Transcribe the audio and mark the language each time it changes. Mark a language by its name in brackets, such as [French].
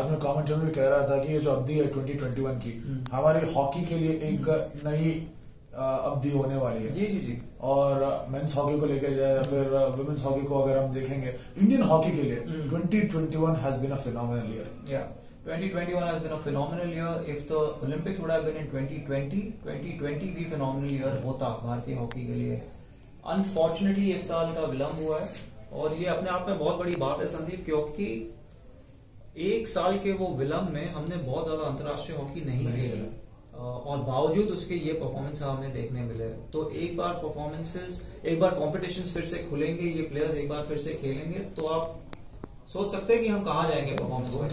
[Hindi] आज मैं कमेंट में भी कह रहा था कि ये जो अवधि है 2021 की हमारी हॉकी के लिए एक नई अवधि होने वाली है। जी जी जी। और मेंस हॉकी को लेकर जाए या फिर वुमेन्स हॉकी को अगर हम देखेंगे, इंडियन हॉकी के लिए 2021 [English] Has been a phenomenal year. 2021 has been a phenomenal year. If the Olympics would have been in 2020, [Hindi] 2020 भी phenomenal year होता भारतीय हॉकी के लिए। Unfortunately, एक साल का विलंब हुआ है और ये अपने आप में बहुत बड़ी बात है संदीप, क्योंकि एक साल के वो विलंब में हमने बहुत ज्यादा अंतर्राष्ट्रीय हॉकी नहीं खेली और बावजूद उसके ये परफॉर्मेंस हमें देखने मिले। तो एक बार परफॉर्मेंसेस, एक बार कॉम्पिटिशन फिर से खुलेंगे, ये प्लेयर्स एक बार फिर से खेलेंगे तो आप सोच सकते हैं कि हम कहाँ जाएंगे परफॉर्मेंस